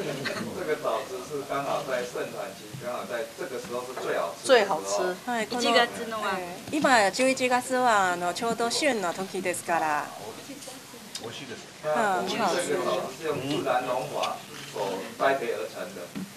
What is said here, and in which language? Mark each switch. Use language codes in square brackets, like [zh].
[zh] 这个枣子是刚好在盛产期。最好吃。 [ja] 一月のは、今十一月はちょうど旬の時ですから。美味しいです。美味しいです。 [zh] 自然農法所栽培而成的。